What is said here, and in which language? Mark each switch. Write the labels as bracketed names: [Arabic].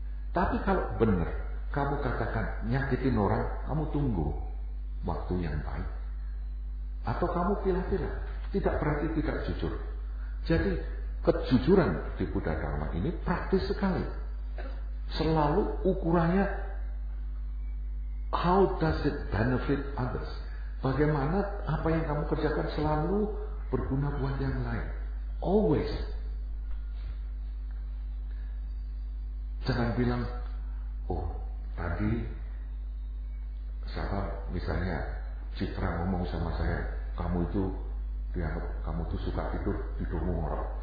[Indonesian] Tapi kalau benar, kamu katakan nyakitin orang, kamu tunggu waktu yang baik. Atau kamu kira-kira, tidak berarti tidak jujur. Jadi kejujuran di Buddha Dharma ini praktis sekali. Selalu ukurannya, [English] how does it benefit others? [Indonesian] Bagaimana apa yang kamu kerjakan selalu berguna buat yang lain? Always. Jangan bilang, oh tadi siapa misalnya Citra ngomong sama saya, kamu itu dia, kamu tuh suka tidur ngorok.